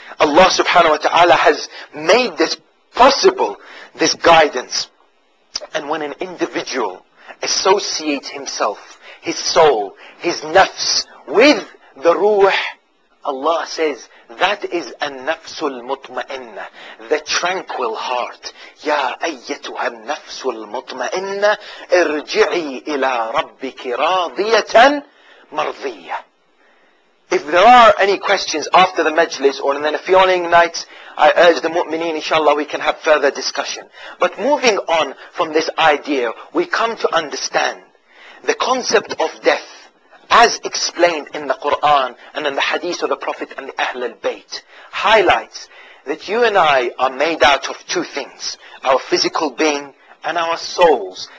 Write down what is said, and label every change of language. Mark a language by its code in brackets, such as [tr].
[en] Allah subhanahu wa ta'ala has made this possible, this guidance. And when an individual associates himself, his soul, his nafs, with the ruh, Allah says, that is [ar] النفس المطمئنة, [en] the tranquil heart. [ar] يا أيتها النفس المطمئنة ارجعي إلى ربك راضية مرضية. [en] If there are any questions after the majlis or in the following nights, I urge the mu'mineen, inshallah, we can have further discussion. But moving on from this idea, we come to understand the concept of death as explained in the Qur'an and in the hadith of the Prophet and the Ahlul Bayt, highlights that you and I are made out of two things, our physical being and our souls.